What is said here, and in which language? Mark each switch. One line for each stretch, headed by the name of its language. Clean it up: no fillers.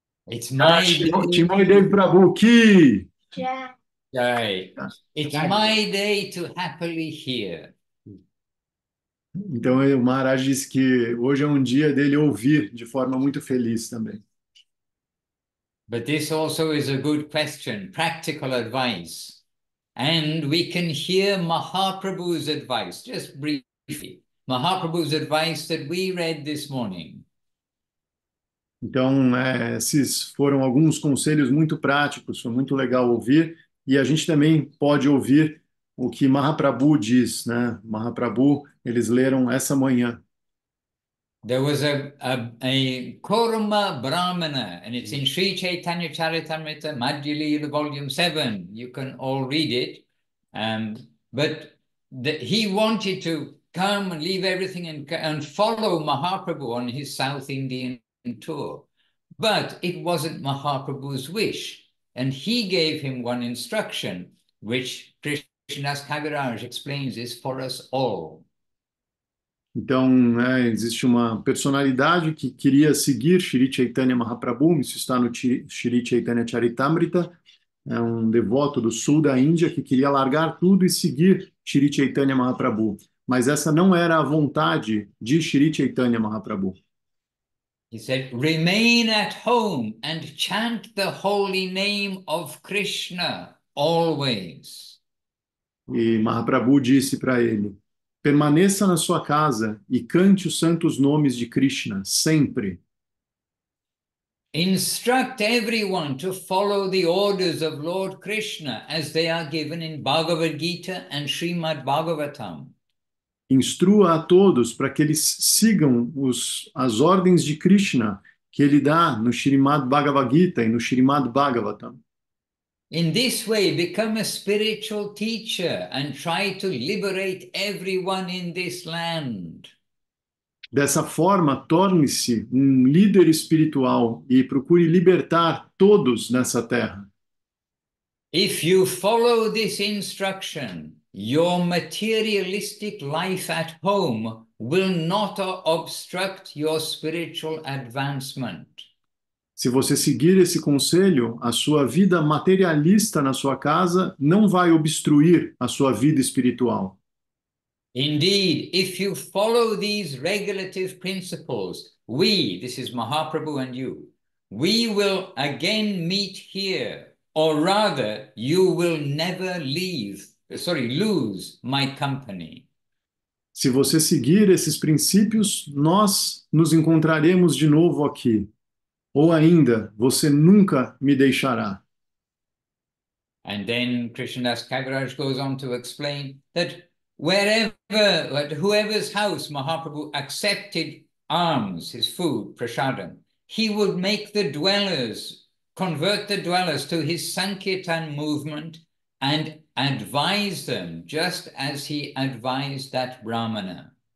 English: It's my day. Chinmoy Dev Prabhu ki. Jai. It's my day to happily hear.
Portuguese: Então o Maharaj disse que hoje é um dia dele ouvir de forma muito feliz também.
English: But this also is a good question, practical advice. And we can hear Mahaprabhu's advice, just briefly. Mahaprabhu's advice that we read this morning.
Portuguese: Então, esses foram alguns conselhos muito práticos, foi muito legal ouvir, e a gente também pode ouvir o que Mahaprabhu diz, né? Mahaprabhu, eles leram essa manhã.
English: There was a Kurma Brahmana, and it's in Sri Chaitanya Charitamrita, Madhyalila, volume 7. You can all read it. He wanted to come and leave everything and follow Mahaprabhu on his South Indian tour. But it wasn't Mahaprabhu's wish. And he gave him one instruction, which Krishnas Kaviraj explains is for us all.
Portuguese: Então, existe uma personalidade que queria seguir Sri Chaitanya Mahaprabhu, isso está no Sri Chaitanya Charitamrita, é um devoto do sul da Índia que queria largar tudo e seguir Sri Chaitanya Mahaprabhu. Mas essa não era a vontade de Sri Chaitanya Mahaprabhu.
English: He said, remain at home and chant the holy name of Krishna always.
Portuguese: E Mahaprabhu disse para ele, permaneça na sua casa e cante os santos nomes de Krishna sempre.
English: Instruct everyone to follow the orders of Lord Krishna as they are given in Bhagavad Gita and Srimad Bhagavatam.
Portuguese: Instrua a todos para que eles sigam as ordens de Krishna que ele dá no Srimad Bhagavad Gita e no Srimad Bhagavatam.
English: In this way, become a spiritual teacher and try to liberate everyone in this land.
Portuguese: Dessa forma, torne-se um líder espiritual e procure libertar todos nessa terra.
English: If you follow this instruction, your materialistic life at home will not obstruct your spiritual advancement.
Portuguese: Se você seguir esse conselho, a sua vida materialista na sua casa não vai obstruir a sua vida espiritual.
English: Indeed, if you follow these regulative principles, this is Mahaprabhu and you, we will again meet here, or rather, you will never lose my company.
Portuguese: Se você seguir esses princípios, nós nos encontraremos de novo aqui. Ou ainda, você nunca me deixará.
English: And then Krishnadas Kaviraj goes on to explain that whoever's house Mahaprabhu accepted alms, his food, prasadam, he would make the dwellers, convert the dwellers to his Sankirtan movement and advise them just as he advised that Brahmana.